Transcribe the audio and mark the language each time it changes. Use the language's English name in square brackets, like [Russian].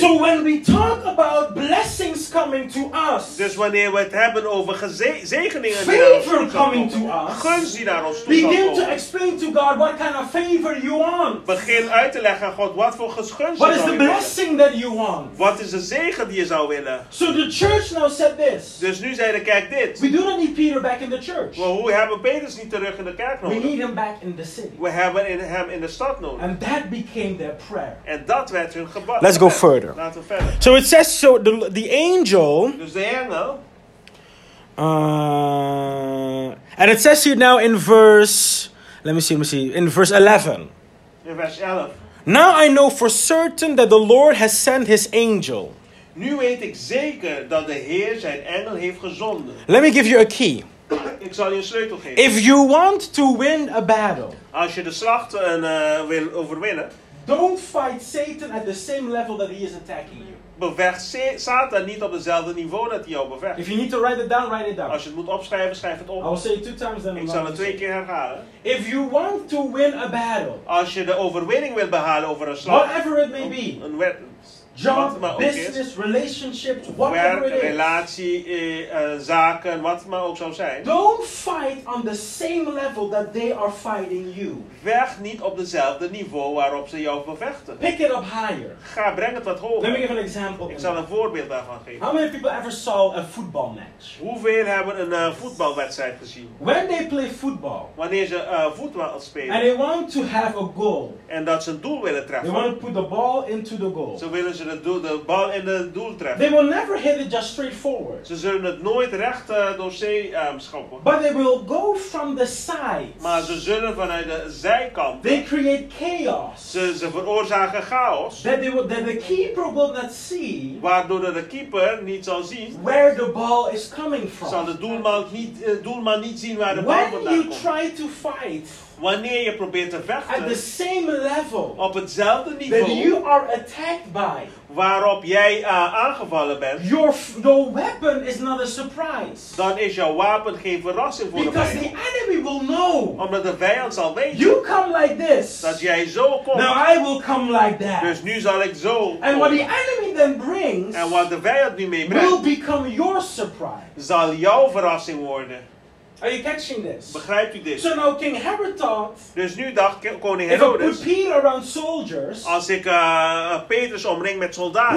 [English] So when we talk about blessings coming to us. [Dutch] Dus wanneer we het hebben over zegeningen die naar ons toe komen. Gunst die naar ons toe begin komen. [English] To explain to God what kind of favor you want. [Dutch] Begin uit te leggen aan God wat voor gunst je wilt. [English] Blessing that you want. [Dutch] Wat is de zegen die je zou willen? [English] So the church now said this. [Dutch] Dus nu zei de kerk dit. [English] We do not need Peter back in the church. [Dutch] Well, we hebben Petrus niet terug in de kerk nodig. [English] We need him back in the city. [Dutch] We hebben hem in de stad nodig. [English] And that became their prayer. [Dutch] En dat werd hun gebed. [English] Let's go further. [Dutch] Laten we verder. [English] So it says so the angel. [Dutch] Dus de engel. [English] And it says here now in verse. Let me see. In verse 11. [Dutch] In vers 11. [English] Now I know for certain that the Lord has sent his angel. [Dutch] Nu weet ik zeker dat de Heer zijn engel heeft gezonden. [English] Let me give you a key. [Dutch] Ik zal je een sleutel geven. [English] If you want to win a battle. [Dutch] Als je de slag wil overwinnen. [English] Don't fight Satan at the same level that he is attacking you. [Dutch] Bevecht Satan niet op hetzelfde niveau dat hij jou bevecht. [English] If you need to write it down, write it down. [Dutch] Als je het moet opschrijven, schrijf het op. [English] I'll say it two times, then [Dutch] ik zal het twee keer herhalen. [English] If you want to win a battle, [Dutch] als je de overwinning wilt behalen over een slag, [English] whatever it may be, [Dutch] een job, [English] business, relationships, whatever it is. [Dutch] Werk, relatie, zaken, wat maar ook zou zijn. [English] Don't fight on the same level that they are fighting you. [Dutch] Vecht niet op dezelfde niveau waarop ze jou vervechten. [English] Pick it up higher. [Dutch] Ga, breng het wat hoger. [English] Let me give an example. [Dutch] Ik zal een voorbeeld daarvan geven. [English] How many people ever saw a football match? [Dutch] Hoeveel hebben een voetbalwedstrijd gezien? [English] When they play football. [Dutch] Wanneer ze voetbal spelen. [English] And they want to have a goal. [Dutch] En dat ze een doel willen treffen. [English] They want to put the ball into the goal. [Dutch] Ze willen ze de bal in het doel treffen. [English] They will never hit it just straight forward. [Dutch] Ze zullen het nooit recht door zee schoppen. [English] But they will go from the sides. [Dutch] Maar ze zullen vanuit de zijkant. [English] They create chaos. [Dutch] Ze veroorzaken chaos. [English] That the keeper will not see. [Dutch] Waardoor de keeper niet zal zien. [English] Where the ball is coming from. [Dutch] Zal de doelman niet zien waar de bal vandaan komt. [English] When you try to fight. [Dutch] Wanneer je probeert te vechten. [English] At the same level. [Dutch] Op hetzelfde niveau. [English] That you are attacked by. [Dutch] Waarop jij aangevallen bent. [English] Your weapon is not a surprise. [Dutch] Dan is jouw wapen geen verrassing voor [English] Because [Dutch] de vijand. [English] The enemy will know. [Dutch] Omdat de vijand zal weten. [English] You come like this. [Dutch] Dat jij zo komt. [English] Now I will come like that. [Dutch] Dus nu zal ik zo [English] And [Dutch] komen. [English] What the enemy then brings. [Dutch] En wat de vijand nu meebrengt. [English] Will become your surprise. [Dutch] Zal jouw verrassing worden. [English] Are you catching this? [Dutch] Begrijpt u dit? [English] So now King Herod thought. [Dutch] Dus nu dacht koning Herodes. [English] If I put Peter around soldiers. [Dutch] Als ik Petrus omring met soldaten.